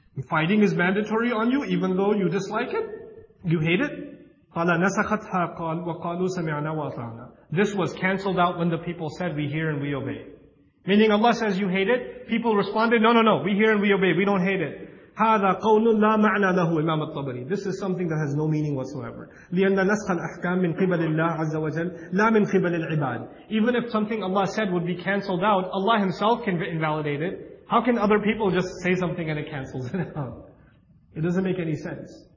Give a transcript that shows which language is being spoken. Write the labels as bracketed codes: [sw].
[en] Fighting is mandatory on you, even though you dislike it, you hate it. [ar] قَالَ نَسَخَتْهَا وَقَالُوا سَمِعْنَا وَأَطَعْنَا. [en] This was cancelled out when the people said, we hear and we obey. Meaning Allah says you hate it, people responded, no, we hear and we obey, we don't hate it. [ar] هَذَا قَوْلُ لَا مَعْنَى لَهُ Imam al-Tabari. [en] This is something that has no meaning whatsoever. [ar] لِأَنَّ نَسْخَ الْأَحْكَامِ مِنْ قِبَلِ اللَّهِ عَزَّ وَجَلْ لَا مِنْ قِبَلِ الْعِبَادِ. [en] Even if something Allah said would be cancelled out, Allah Himself can invalidate it. How can other people just say something and it cancels it out? It doesn't make any sense.